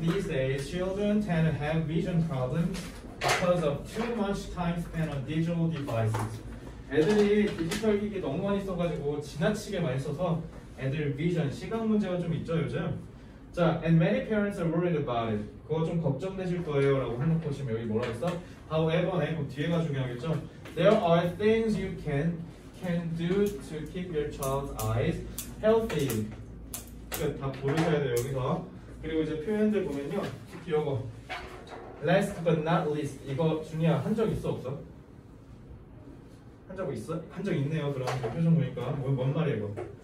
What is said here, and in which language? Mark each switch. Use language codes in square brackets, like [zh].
[en] These days, children tend to have vision problems because of too much time spent on digital devices. [ko] 애들이 디지털 기기 너무 많이 써가지고 지나치게 많이 써서 애들 vision, 시각 문제가 좀 있죠, 요즘? [en] 자, And many parents are worried about it. [ko] 그거 좀 걱정되실 거예요 라고 해놓고 지금 여기 뭐라고 했어? However, 네, 그럼 뒤에가 중요하겠죠? [en] There are things you can do to keep your child's eyes healthy. [ko] 그, 다 보셔야 돼요, 여기서. 그리고 이제 표현들 보면요. 특히 이거. [en] Last but not least. [ko] 이거 중요한 한 적 있어, 없어? 한 적 있어? 한 적 있네요, 그럼. 표정 보니까. 뭔 말이에요, 이거?